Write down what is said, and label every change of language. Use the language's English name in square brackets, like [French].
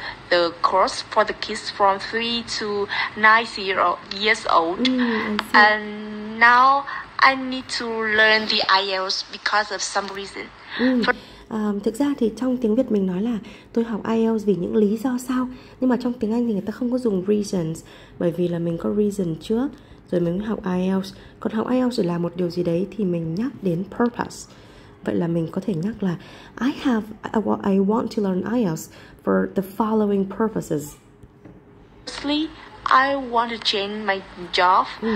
[English] The course for the kids from 3 to 9 years old. And now I need to learn the IELTS because of some reason. [Vietnamese] Thực ra thì trong tiếng Việt mình nói là tôi học IELTS vì những lý do sao, nhưng mà trong tiếng Anh thì người ta không có dùng reasons, bởi vì là mình có reason trước rồi mình mới học IELTS. Còn học IELTS để làm một điều gì đấy thì mình nhắc đến purpose. Vậy là mình có thể nhắc là [English] I want to learn IELTS for the following purposes. Firstly, I want to change my job.